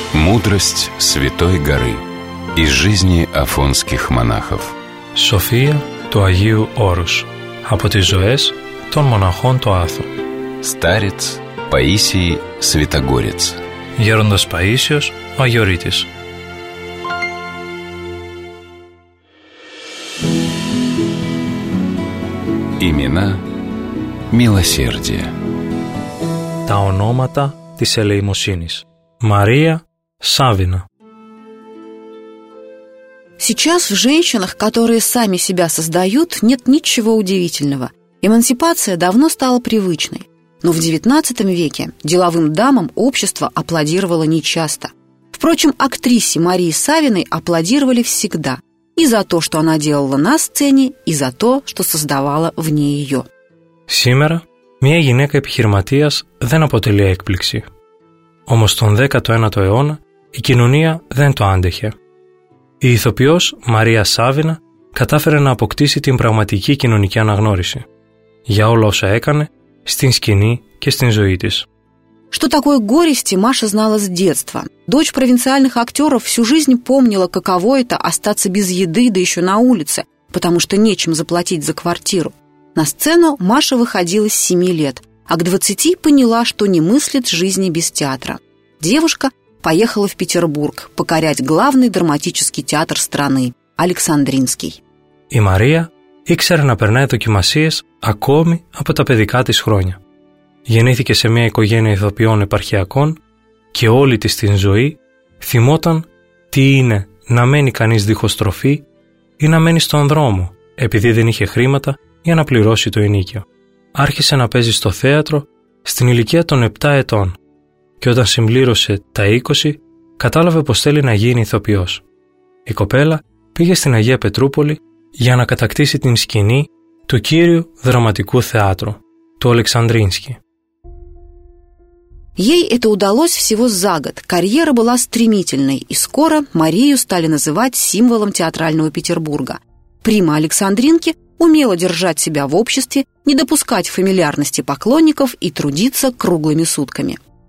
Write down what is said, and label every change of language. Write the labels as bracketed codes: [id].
[ru] Мудрость Святой Горы из жизни афонских монахов. [el] София του Αγίου Όρους. Από τις ζωές των μοναχών του Άθου. [ru] Старец Паисий Святогорец. [el] Γέροντας Παΐσιος, ο Αγιορείτης. [ru] Имена милосердия. [el] Τα ονόματα της ελεημοσύνης. [ru] Мария Савина. Сейчас в женщинах, которые сами себя создают, нет ничего удивительного. Эмансипация давно стала привычной. Но в XIX веке деловым дамам общество аплодировало нечасто. Впрочем, актрисе Марии Савиной аплодировали всегда. И за то, что она делала на сцене, и за то, что создавала вне ее. [el] Сегодня мия гинека эпихирматиас дэн апотелия экплекси. Омос тон 19-го эона и кинуния дэн то андехе. Η ηθοποιός Μαρία Σάβινα κατάφερε να αποκτήσει την πραγματική κοινωνική αναγνώριση για όλα όσα έκανε στην σκηνή και στην ζωή της. [ru] Что такое горести, Маша знала с детства. Дочь провинциальных актеров всю жизнь помнила, каково это остаться без еды, да еще на улице, потому что нечем заплатить за квартиру. На сцену Маша выходила с 7 лет, а к 20 поняла, что не мыслит жизни без театра. Девушка поехала в Петербург покорять главный драматический театр страны – Александринский. [el] И Мария ήξερε να περνάει δοκιμασίες ακόμη από τα παιδικά της χρόνια. Γεννήθηκε σε μια οικογένεια ηθοποιών επαρχιακών και όλη της την ζωή θυμόταν τι είναι να μένει κανείς δίχως τροφή ή να μένει στον δρόμο επειδή δεν είχε χρήματα για να πληρώσει το ενίκιο. Άρχισε να παίζει στο θέατρο στην ηλικία των 7 ετών και όταν συμπλήρωσε τα 20 κατάλαβε πως θέλει να γίνει ηθοποιός. Η κοπέλα πήγε στην Αγία Πετρούπολη για να κατακτήσει την σκηνή του κύριου δραματικού θεάτρου, του Αλεξανδρίνσκι. [ru] Ей это удалось всего за год. Карьера была стремительной, и скоро Марию стали называть символом театрального Петербурга. Прима Александринки умела держать себя в обществе, не допускать фамильярности поклонников и трудиться круглыми сутками.